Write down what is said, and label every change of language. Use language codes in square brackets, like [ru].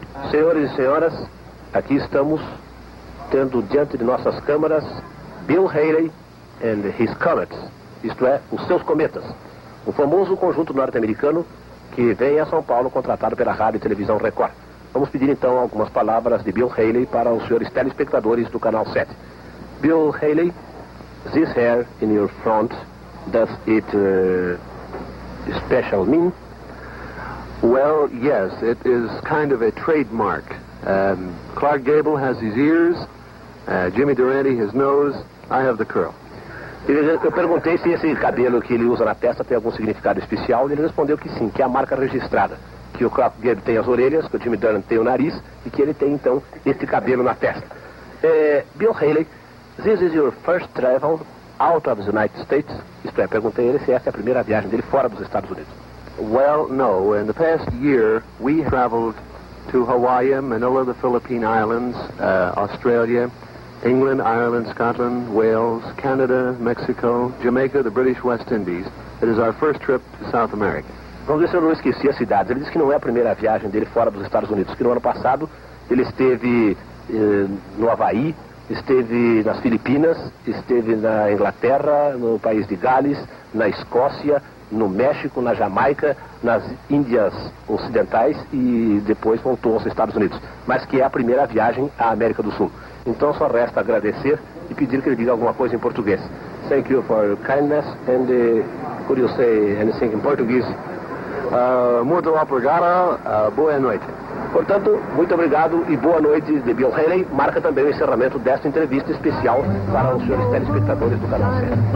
[pt] Senhores e senhoras, aqui estamos tendo diante de nossas câmeras Bill Haley and his comets, isto é, os seus cometas, o famoso conjunto norte-americano que vem a São Paulo contratado pela Rádio e Televisão Record. Vamos pedir então algumas palavras de Bill Haley para os senhores telespectadores do Canal 7. [en] Bill Haley, this hair in your front, does it special mean? Well, yes, it is kind of a trademark. Clark Gable has his ears, Jimmy Durante his nose, I have the curl. [pt] Eu perguntei se esse cabelo que ele usa na testa tem algum significado especial, e ele respondeu que sim, que é a marca registrada. Que o Clark Gable tem as orelhas, que o Jimmy Durante tem o nariz, e que ele tem, então, esse cabelo na testa. [en] Bill Haley, this is your first travel out of the United States? [pt] Isto é, perguntei a ele se essa é a primeira viagem dele fora dos Estados Unidos. [en] Well, no. In the past year, we traveled to Hawaii, Manila, the Philippine Islands, Australia, England, Ireland, Scotland, Wales, Canada, Mexico, Jamaica, the British West Indies. It is our first trip to South America. [pt] Bom, o senhor não esquecia as cidades. Ele disse que não é a primeira viagem dele fora dos Estados Unidos, que no ano passado ele esteve no Havaí, esteve nas Filipinas, esteve na Inglaterra, no país de Gales, na Escócia, no México, na Jamaica, nas Índias Ocidentais e depois voltou aos Estados Unidos. Mas que é a primeira viagem à América do Sul. Então só resta agradecer e pedir que ele diga alguma coisa em português. [en] Thank you for your kindness and could you say anything in Portuguese? [pt] Muito obrigado, boa noite. Portanto, muito obrigado e boa noite de Bill Haley. Marca também o encerramento desta entrevista especial para os senhores telespectadores do Canal 7.